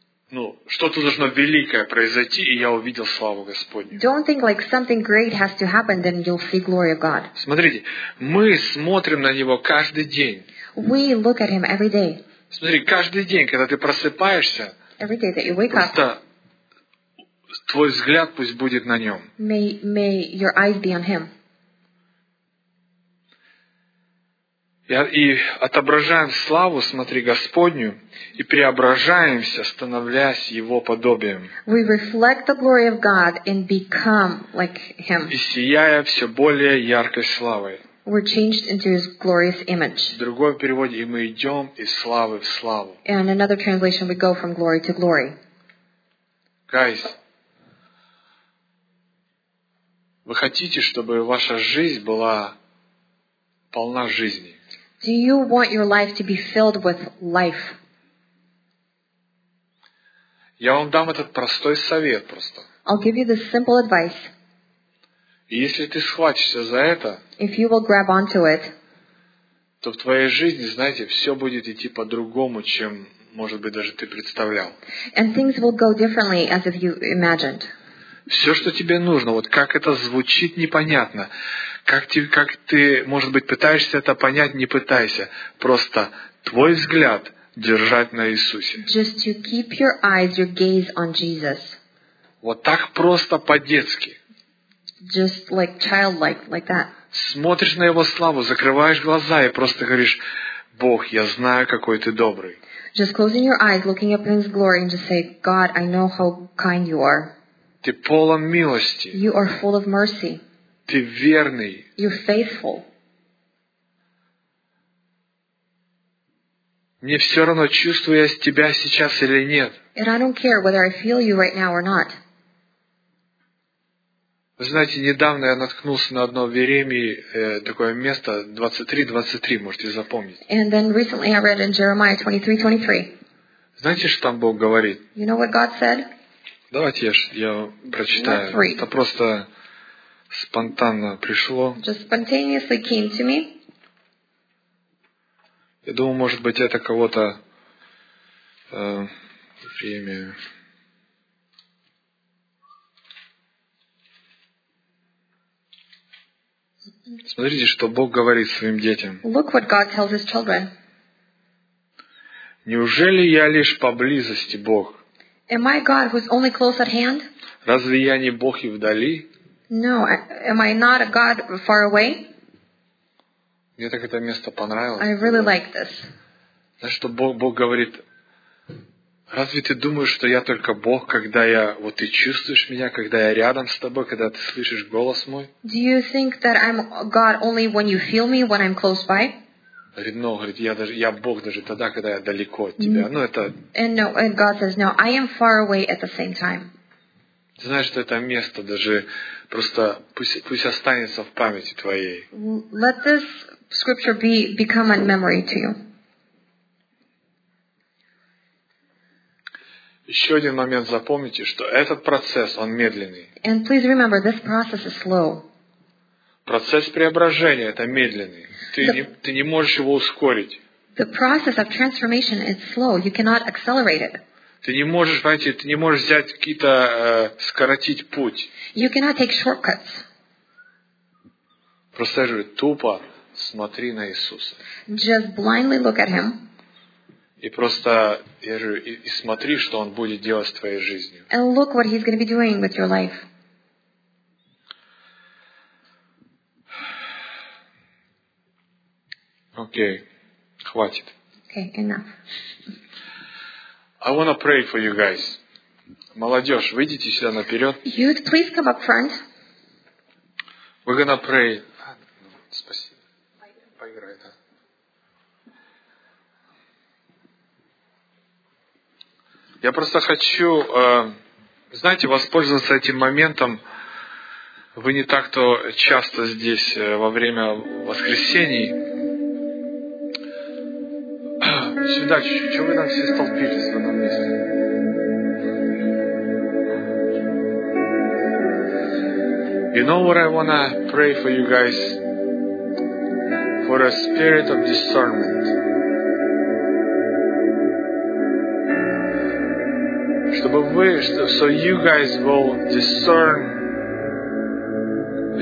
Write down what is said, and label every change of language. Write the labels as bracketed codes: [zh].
[ru] Ну, что-то должно великое произойти, и я увидел славу Господню. [en] Don't think like something great has to happen, then you'll see glory of God. [ru] Смотрите, мы смотрим на него каждый день. [en] We look at him every day. [ru] Смотри, каждый день, когда ты просыпаешься, просто твой взгляд пусть будет на нем. [en] May your eyes be on him. [ru] И отображаем славу, смотри, Господню, и преображаемся, становясь Его подобием. [en] We reflect the glory of God and become like Him. [ru] И сияя все более яркой славой. [en] We're changed into His glorious image. [ru] В другом переводе, и мы идем из славы в славу. [en] And in another translation, we go from glory to glory. [ru] Guys, вы хотите, чтобы ваша жизнь была полна жизни? [en] Do you want your life to be filled with life? [ru] Я вам дам этот простой совет просто. [en] I'll give you this simple advice. [ru] И если ты схватишься за это, [en] if you will grab onto it, [ru] то в твоей жизни, знаете, все будет идти по-другому, чем, может быть, даже ты представлял. [en] And things will go differently as if you imagined. [ru] Все, что тебе нужно, вот как это звучит, непонятно. Как ты, может быть, пытаешься это понять, не пытайся. Просто твой взгляд держать на Иисусе. [en] Just to keep your eyes, your gaze on Jesus. [ru] Вот так просто по-детски. [en] Just like childlike, like that. [ru] Смотришь на Его славу, закрываешь глаза и просто говоришь, Бог, я знаю, какой ты добрый. [en] Just closing your eyes, looking up in His glory and just say, God, I know how kind you are. [ru] Ты полон милости. [en] You are full of mercy. [ru] Ты верный. [en] You're faithful. [ru] Мне все равно, чувствую я тебя сейчас или нет. [en] And I don't care whether I feel you right now or not. [ru] Вы знаете, недавно я наткнулся на одно в Иеремии такое место 23:23, можете запомнить. [en] And then recently I read in Jeremiah 23:23. [ru] Знаете, что там Бог говорит? [en] You know what God said? [ru] Давайте я прочитаю. Это просто спонтанно пришло. [en] Just spontaneously came to me. [ru] Я думаю, может быть, это кого-то время. Смотрите, что Бог говорит своим детям. [en] Look what God tells His children. [ru] Неужели я лишь поблизости Бог? [en] Am I God who's only close at hand? [ru] Разве я не Бог и вдали? [en] No, am I not a God far away? [ru] Мне так это место понравилось. [en] I really like this. [ru] Знаешь, что Бог говорит, разве ты думаешь, что я только Бог, когда я, вот ты чувствуешь меня, когда я рядом с тобой, когда ты слышишь голос мой? [en] Do you think that I'm God only when you feel me, when I'm close by? [ru] Но, говорит, я Бог даже тогда, когда я далеко от тебя. Ну, это... [en] And no, and God says, no, I am far away at the same time. [ru] Ты знаешь, что это место даже просто пусть останется в памяти твоей. [en] Let this scripture become a memory to you. [ru] Еще один момент запомните, что этот процесс, он медленный. [en] And please remember, this process is slow. [ru] Процесс преображения, это медленный. Ты не можешь его ускорить. [en] The process of transformation is slow. You cannot accelerate it. [ru] Ты не можешь, понимаете, ты не можешь взять какие-то, скоротить путь. [en] You cannot take shortcuts. [ru] Просто же тупо смотри на Иисуса. [en] Just blindly look at Him. [ru] И просто, я же говорю, и смотри, что Он будет делать с твоей жизнью. [en] And look what He's going to be doing with your life. [ru] Окей, хватит. [en] Okay, enough. I want to pray for you guys. [ru] Молодежь, выйдите сюда наперед. [en] Youth, please come up front. We're gonna pray. [ru] Спасибо. Поиграй, да. Я просто хочу, знаете, воспользоваться этим моментом. Вы не так-то часто здесь во время воскресений. Сюда чуть-чуть, что вы там все столпились в одном месте? [en] You know what I wanna pray for you guys? For a spirit of discernment. [ru] Чтобы вы, [en] so you guys will discern.